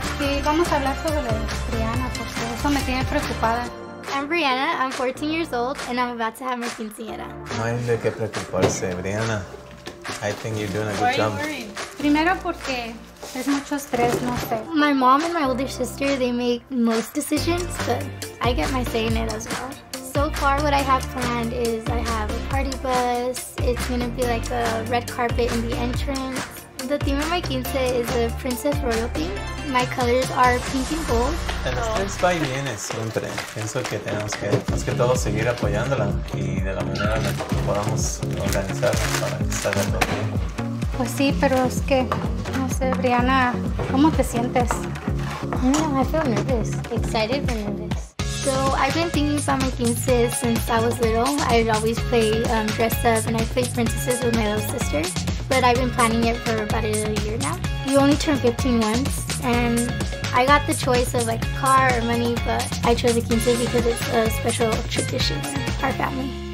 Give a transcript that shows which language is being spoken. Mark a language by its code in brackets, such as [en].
[es] Sí, vamos a hablar sobre Brianna, porque eso me tiene preocupada. [en] I'm Brianna, I'm 14 years old, and I'm about to have my quinceañera. [es] No hay de qué preocuparse, [en] Brianna. I think you're doing a good job. Why are you worried? [es] Primero porque es mucho estrés, no sé. [en] My mom and my older sister, they make most decisions, but I get my say in it as well. So far, what I have planned is I have a party bus. It's gonna be like a red carpet in the entrance. The theme of my quince is a princess royal theme. My colors are pink and gold. [es] El estrés va y viene siempre. Pienso que tenemos que, más que todo, seguir apoyándola y de la manera en la que podamos organizar para que salga todo bien. Pues sí, pero es que, no sé, Brianna, ¿cómo te sientes? [en] No, I feel nervous. Excited but nervous. So I've been thinking about my quince since I was little. I always play dress up and I play princesses with my little sister. But I've been planning it for about a year now. You only turn 15 once, and I got the choice of like a car or money, but I chose the quince because it's a special tradition in our family.